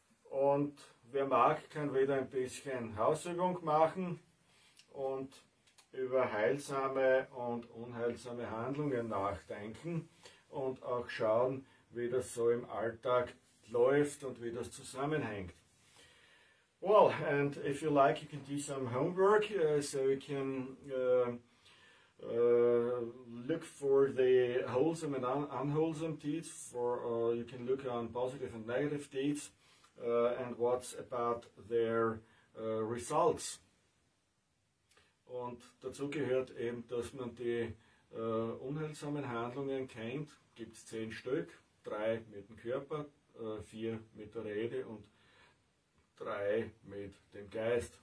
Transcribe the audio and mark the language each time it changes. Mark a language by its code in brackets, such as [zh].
[de] Und wer mag, kann wieder ein bisschen Hausübung machen und über heilsame und unheilsame Handlungen nachdenken und auch schauen, wie das so im Alltag läuft und wie das zusammenhängt. [en] Well, and if you like, you can do some homework, so you can look for the wholesome and unwholesome deeds, you can look on positive and negative deeds, and what's about their results. [de] Und dazu gehört eben, dass man die unheilsamen Handlungen kennt. Gibt es 10 Stück, 3 mit dem Körper, 4 mit der Rede und 3 mit dem Geist.